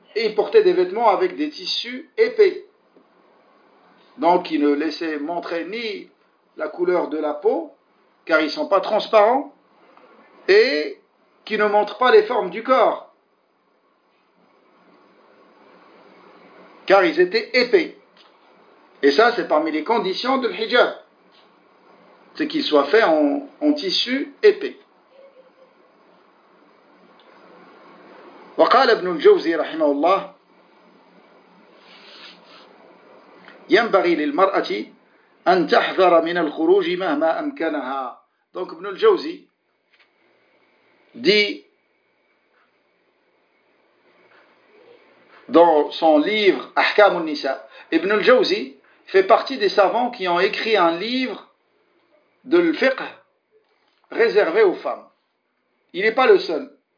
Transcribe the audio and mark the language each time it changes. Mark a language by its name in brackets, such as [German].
[French] Et ils portaient des vêtements avec des tissus épais, donc ils ne laissaient montrer ni la couleur de la peau, car ils ne sont pas transparents, et qui ne montrent pas les formes du corps, car ils étaient épais. Et ça, c'est parmi les conditions de l'hijab, c'est qu'il soit fait en tissu épais. [Arabic] وقال ابن الجوزي رحمه الله ينبغي للمرأة أن تحذر من الخروج مهما أمكنها. [French] Donc ابن الجوزي dit dans son livre أحكام النساء. ابن الجوزي fait partie des savants qui ont écrit un livre de l'fiqh réservé aux femmes. Il n'est pas le seul.